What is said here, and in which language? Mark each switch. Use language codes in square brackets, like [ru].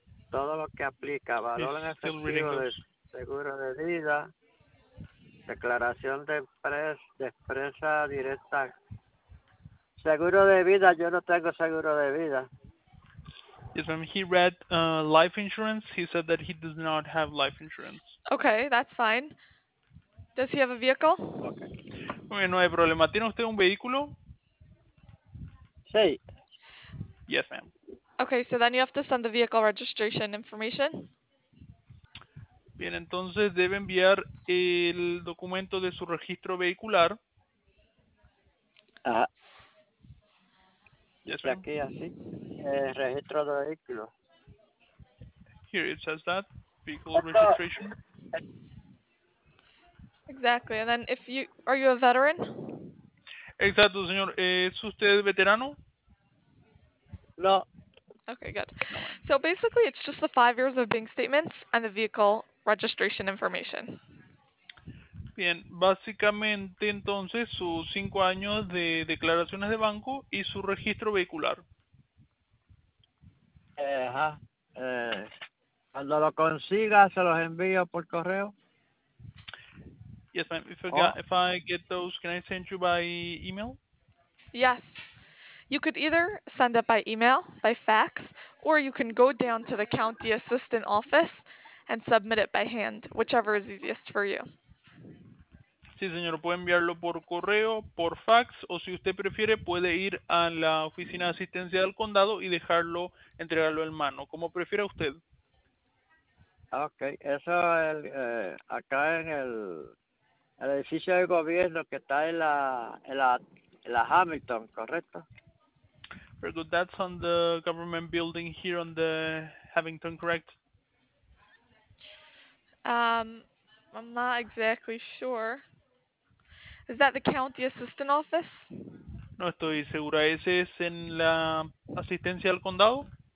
[es] Todo lo que aplica, valor en efectivo de seguro de vida, declaración de empresa directa, seguro de vida, yo no tengo seguro de vida. [en] Yes, when he read life insurance, he said that he does not have life insurance. Okay, that's fine. Does he have a vehicle? [es] Okay. Bueno, no hay problema. ¿Tiene usted un vehículo? Sí. [en] Yes, ma'am. Okay, so then you have to send the vehicle registration information. [es] Bien, entonces debe enviar el documento de su registro vehicular. Ajá. [en] Yes, [es] aquí así, registro de vehículo. [en] Here it says that, vehicle registration. Exactly, and then if you, are you a veteran? [es] Exacto, señor. ¿Es usted veterano? No. [en] Okay, good. So basically, it's just the 5 years of bank statements and the vehicle registration information. [es] Bien, básicamente entonces sus 5 años de declaraciones de banco y su registro vehicular. Ajá. Cuando lo consiga, se los envío por correo. [en] Yes, ma'am. If I get those, can I send you by email? Yes. You could either send it by email, by fax, or you can go down to the county assistant office and submit it by hand, whichever is easiest for you. [es] Sí, señor, puede enviarlo por correo, por fax, o si usted prefiere, puede ir a la oficina de asistencia del condado y dejarlo, entregarlo en mano, como prefiera usted. Okay, eso el, acá en el edificio de gobierno que está en la Hamilton, ¿correcto? [en] Very good. That's on the government building here on the Havington, correct? I'm not exactly sure. Is that the county assistant office? [es] No estoy segura. ¿Ese es en la asistencia al condado?